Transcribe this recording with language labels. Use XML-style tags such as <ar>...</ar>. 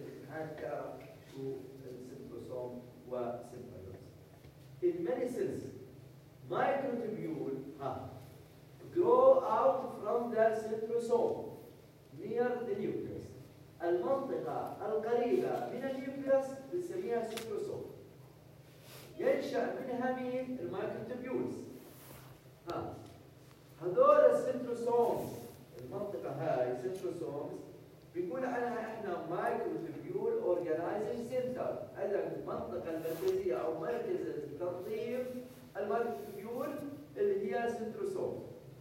<ar>هكا شو السيمبوسوم وسيمبوسوم.</ar> <en>In many sense, microtubule grow out from the centrosome near the nucleus.</en> <ar>المنطقة القريبة من النيوكلس بنسميها سنتروسوم. ينشأ منها مين؟ المايكروتوبيولز. هذول السنتروسوم، المنطقة هاي سنتروسوم بيقول عنها احنا مايكروتوبيول اورجانيزنج سنتر، اذا المنطقة المركزية او مركز التنظيم المايكروتوبيول اللي هي سنتروسوم.</ar>